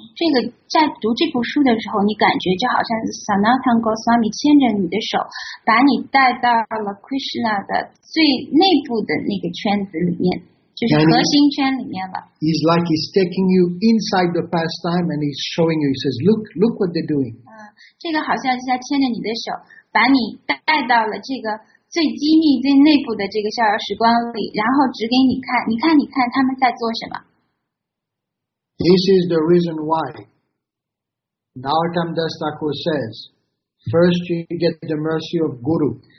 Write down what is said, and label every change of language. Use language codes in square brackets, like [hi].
[zh] 这个在读这部书的时候，你感觉就好像 Sanatana Goswami 牵着你的手，把你带到了 Krishna 的最内部的那个圈子里面，就是核心圈里面了。 [en] He's like he's taking you inside the pastime, and he's showing you. He says, "Look, look what they're doing." [zh] 这个好像是在牵着你的手，把你带到了这个。最机密最内部的这个逍遥时光里，然后指给你看，你看你看他们在做什么。 [en] This is the reason why Narottam Das Thakur says first you get the mercy of Guru。